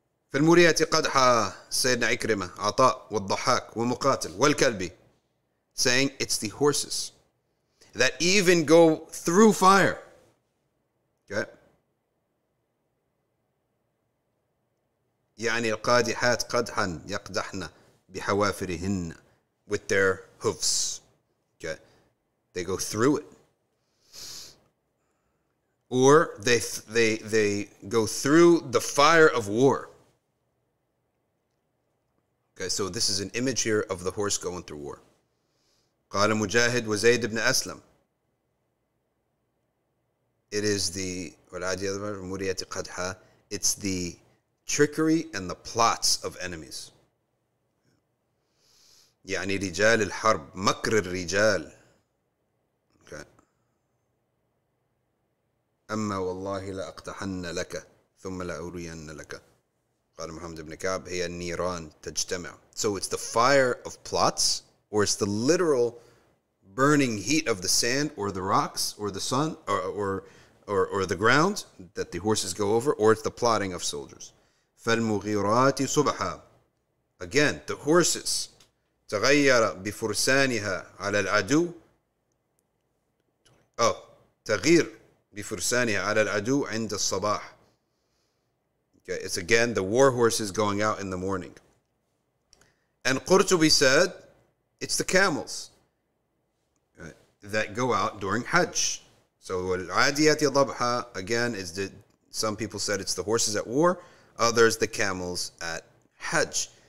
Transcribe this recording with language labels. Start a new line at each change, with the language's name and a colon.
Arabic: في المورية قدحة سيدنا عكرمة عطاء والضحاك ومقاتل والكلبي,
English: saying it's the horses that even go through fire. Okay.
Arabic: يعني القادحات قدحا يقدحن بحوافرهن,
English: with their hoofs. Okay. They go through it. Or they go through the fire of war. Okay, so this is an image here of the horse going through war.
Arabic: قال مجاهد وزيد بن أسلم.
English: It is the al-Adiyat muriyat qadha. It's the trickery and the plots of enemies.
Arabic: يعني رجال الحرب مكر الرجال.
English: Okay.
Arabic: أما والله لا أقتحن لك ثم لا أرين لك. قال محمد بن كعب هي النيران تجتمع.
English: So it's the fire of plots, or it's the literal burning heat of the sand or the rocks or the sun or the ground that the horses go over, or it's the plotting of soldiers.
Arabic: فالمغيرات صبحا.
English: Again, the horses
Arabic: تغير بفرسانها على العدو. Oh, تغير بفرسانها على العدو عند الصباح.
English: Okay, it's again the war horses going out in the morning. And Qurtubi said, it's the camels that go out during Hajj. So al-Adiyat al-Dabha, again, some people said it's the horses at war, others the camels at Hajj.